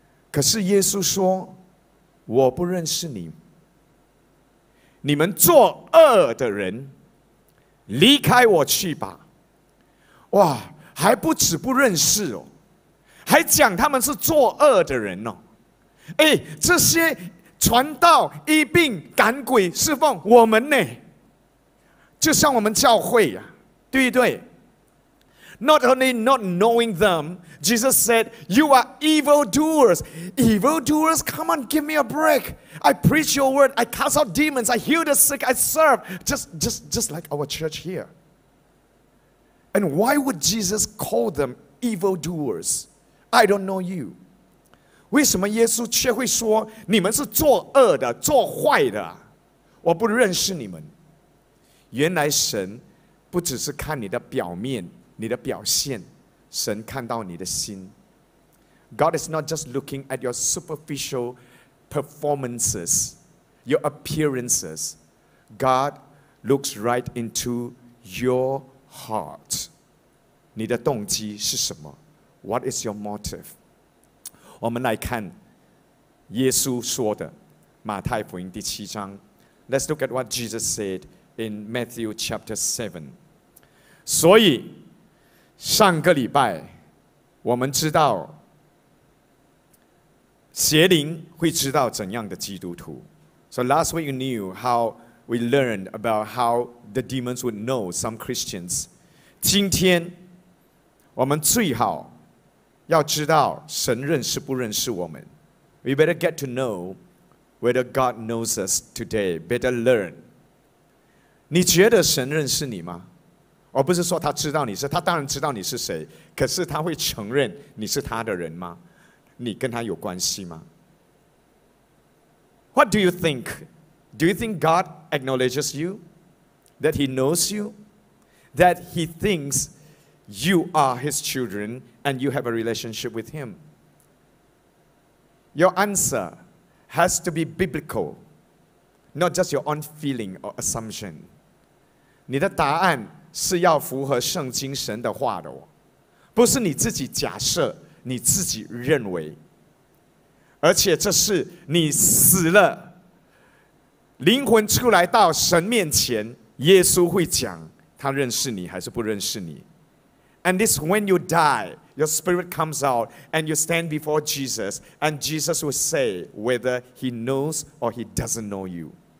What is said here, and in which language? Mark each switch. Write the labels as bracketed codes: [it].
[zh] 可是耶稣说，我不认识你。你们作恶的人，离开我去吧。哇，还不止不认识哦，还讲他们是作恶的人哦。哎，这些传道医病赶鬼侍奉我们呢就像我们教会、啊、对不对 [en] Not only not knowing them Jesus said You are evildoers Evildoers come on give me a break I preach your word I cast out demons I heal the sick I serve Just like our church here And why would Jesus call them evildoers I don't know you [zh] 为什么耶稣却会说你们是作恶的、作坏的？我不认识你们。原来神不只是看你的表面，你的表现，神看到你的心。 [en] God is not just looking at your superficial performances, your appearances. God looks right into your heart. [zh] 你的动机是什么？ [en] What is your motive? [zh] 我们来看耶稣说的马太福音第七章。 [en] Let's look at what Jesus said in Matthew chapter 7. [zh] 所以上个礼拜我们知道邪灵会知道怎样的基督徒。 [en] So last week you knew how we learned about how the demons would know some Christians. [zh] 今天我们最好要知道神认识不认识我们。 [en] We better get to know whether God knows us today. Better learn. [zh] 你觉得神认识你吗？我不是说他知道你是，他当然知道你是谁，可是他会承认你是他的人吗？你跟他有关系吗？ [en] What do you think? Do you think God acknowledges you? That he knows you? That he thinks you are his children and you have a relationship with him? Your answer has to be biblical, not just your own feeling or assumption. [zh] 你的答案是要符合圣经神的话的，不是你自己假设，你自己认为，而且这是你死了灵魂出来到神面前，耶稣会讲他认识你还是不认识你。 [en] And this when you die, your spirit comes out and you stand before Jesus and Jesus will say whether he knows or he doesn't know you.